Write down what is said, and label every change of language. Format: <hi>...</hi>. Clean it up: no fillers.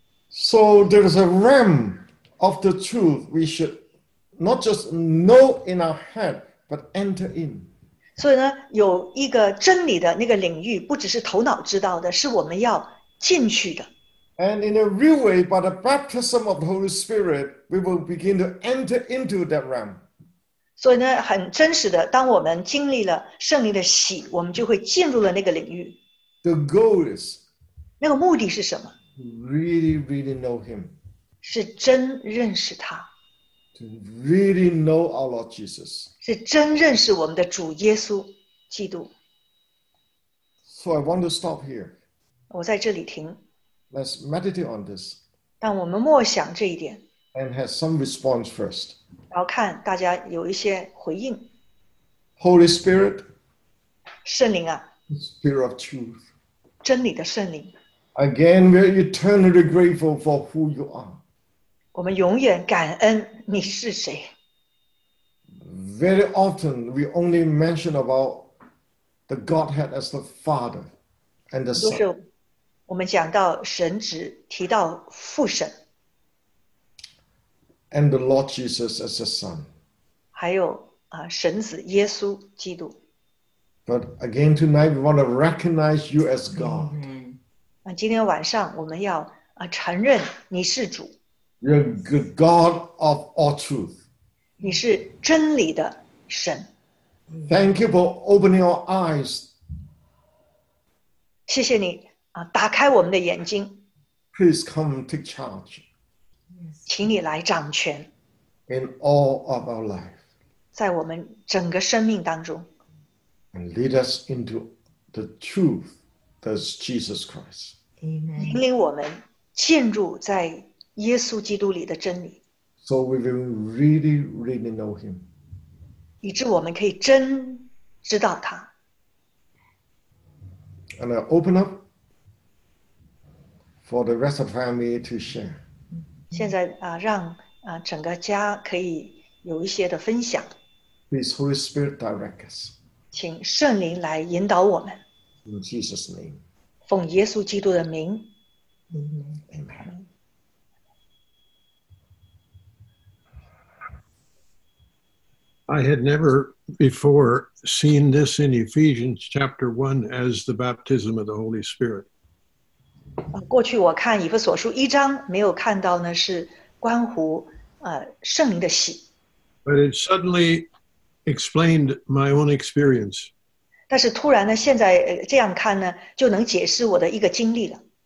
<en>So there is a realm of the truth we should not just know in our head, but enter in.</en> <zh>所以呢,有一个真理的那个领域,不只是头脑知道的,是我们要进去的。</zh> <en>And in a real way, by the baptism of the Holy Spirit, we will begin to enter into that realm.</en> <zh>所以呢,很真实的,当我们经历了圣灵的喜,我们就会进入了那个领域。</zh> <en>The goal is</en> <zh>那个目的是什么?</zh> <en>To really, really know him.</en> <zh>是真认识他。</zh> <en>To really know our Lord Jesus.</en> <zh>是真认识我们的主耶稣基督。</zh> <en>So I want to stop here.</en> <zh>我在这里停。</zh> <en>Let's meditate on this.</en> <zh>让我们默想这一点。</zh> <en>And have some response first.</en> <zh>然后看大家有一些回应。</zh> <en>Holy Spirit.</en> <zh>圣灵啊。</zh> <en>Spirit of truth.</en> <zh>真理的圣灵。</zh> <en>Again, we are eternally grateful for who you are.</en> <zh>我们永远感恩你是谁。</zh> <en>Very often, we only mention about the Godhead as the Father and the Son.</en> <zh>就是我们讲到神只提到父神。</zh> <en>And the Lord Jesus as the Son.</en> <zh>还有神子耶稣基督。</zh> <en>But again, tonight, we want to recognize you as God.</en> <zh>今天晚上我们要承认你是主。</zh> <en>You're the God of all truth.</en> <zh>你是真理的神。</zh> <en>Thank you for opening our eyes.</en> <zh>谢谢你打开我们的眼睛。</zh> <en>Please come take charge.</en> <zh>请你来掌权。</zh> <en>In all of our life.</en> <zh>在我们整个生命当中。</zh> <en>And lead us into the truth that's Jesus Christ. Amen.</en> <zh>引领我们进入在耶稣基督里的真理。</zh> <en>So we will really, really know him.</en> <zh>以致我们可以真知道他。</zh> <en>And I open up for the rest of the family to share.</en> <zh>现在让整个家可以有一些的分享。</zh> <en>Please Holy Spirit direct us.</en> <zh>请圣灵来引导我们。</zh> <en>In Jesus' name.</en> <zh>奉耶稣基督的名。</zh> <en>Amen. Amen. I had never before seen this in Ephesians chapter 1 as the baptism of the Holy Spirit.</en> <zh>过去我看以弗所书一章没有看到呢是关乎圣灵的洗。</zh> <en>But it suddenly explained my own experience.</en> <zh>但是突然呢现在这样看呢就能解释我的一个经历了。</zh>